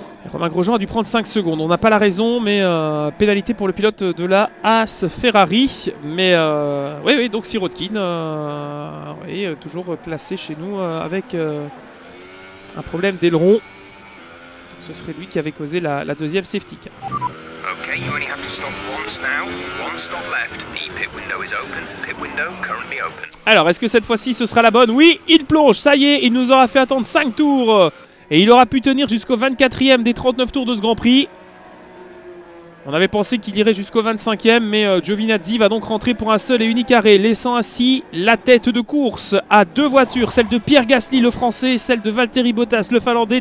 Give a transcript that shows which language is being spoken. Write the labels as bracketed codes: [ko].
[fr] Romain Grosjean a dû prendre 5 secondes. On n'a pas la raison, mais pénalité pour le pilote de la Haas Ferrari. Mais oui, donc Sirotkin, oui, toujours classé chez nous avec un problème d'aileron. Donc ce serait lui qui avait causé la deuxième safety car. [en] Okay, you only have to stop once now. One stop left. The pit window is open. Pit window currently open. [fr] Alors, est-ce que cette fois-ci ce sera la bonne? Oui, il plonge, ça y est, il nous aura fait attendre 5 tours. Et il aura pu tenir jusqu'au 24e des 39 tours de ce Grand Prix. On avait pensé qu'il irait jusqu'au 25e, mais Giovinazzi va donc rentrer pour un seul et unique arrêt, laissant ainsi la tête de course à deux voitures, celle de Pierre Gasly, le français, et celle de Valtteri Bottas, le finlandais.